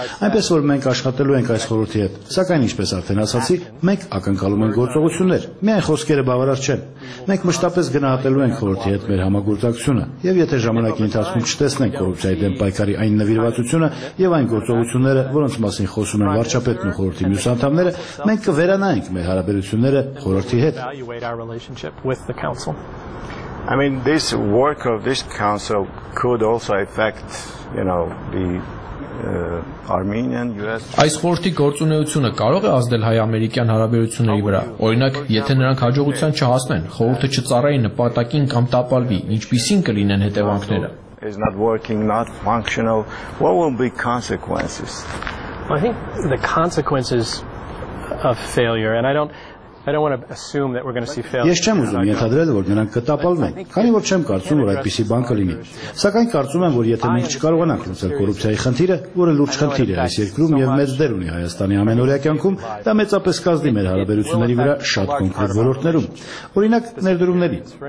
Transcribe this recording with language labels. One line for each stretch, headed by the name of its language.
Armenian: Այնպես որ մենք աշխատելու ենք այս խորհրդի հետ, սակայն ինչպես արդեն ասացի, մենք ակնկալում ենք գործողություններ։ Միայն խոսքերը բավարար չեն։ Մենք մշտապես գնահատելու ենք խորհրդի հետ մեր համագործակցությունը, եւ եթե ժամանակի ընթացքում չտեսնենք կոռուպցիայի դեմ պայքարի այն նվիրվածությունը եւ այն գործողությունները, որոնց մասին խոսում են վարչապետն ու խորհրդի մյուս անդամները, մենք կվերանայենք մեր հարաբերությունները խորհրդի հետ։
English: I mean, this work of this council could also affect, you know, the Armenian US.
Armenian: Այս խորհրդի գործունեությունը կարող է ազդել հայ-ամերիկյան հարաբերությունների վրա։ Օրինակ, եթե նրանք հաջողության չհասնեն, խորհուրդը չծառայի նպատակին կամ տապալվի, ինչպիսին կլինեն հետևանքները։
English: Is not working, not functional. What will be consequences? I think the consequences of failure, and I don't want to assume that we're going to see failure.
Armenian: Ես չեմ ուզում ենթադրել, որ նրանք կտապալվեն, քանի որ չեմ կարծում, որ այդպիսի բան կլինի։ Սակայն կարծում եմ, որ եթե մենք չկարողանանք լուծել կոռուպցիայի խնդիրը, որը լուրջ խնդիր է այս երկրում եւ մեծ դեր ունի Հայաստանի ամենօրյա կյանքում, դա մեծապես կազդի մեր հարաբերությունների վրա շատ կոնկրետ ոլորտներում։ Օրինակ, ներդրումների։